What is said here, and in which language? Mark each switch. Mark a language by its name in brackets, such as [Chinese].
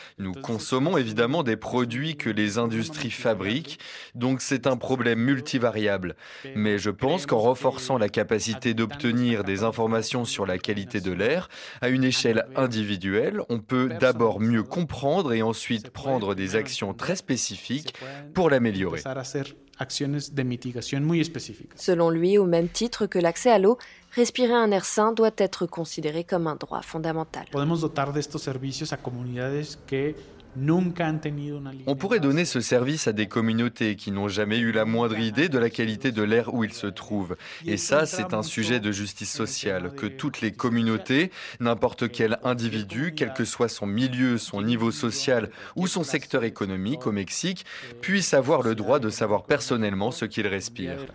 [French] Nous consommons évidemment des produits que les industries fabriquent, donc c'est un problème multivariable. Mais je pense qu'en renforçant la capacité d'obtenir des informations sur la qualité de l'air à une échelle individuelle, on peut d'abord mieux comprendre et ensuite prendre des actions très spécifiques pour l'améliorer. Actions de mitigation [Spanish] muy específicas. [French] Selon lui, au même titre que l'accès à l'eau, respirer un air sain doit être considéré comme un droit fondamental. [Spanish] Podemos dotar de estos servicios a comunidades que nunca han tenido una línea. [French] On pourrait donner ce service à des communautés qui n'ont jamais eu la moindre idée de la qualité de l'air où ils se trouvent. Et ça, c'est un sujet de justice sociale, que toutes les communautés, n'importe quel individu, quel que soit son milieu, son niveau social ou son secteur économique au Mexique, puissent avoir le droit de savoir personnellement ce qu'ils respirent.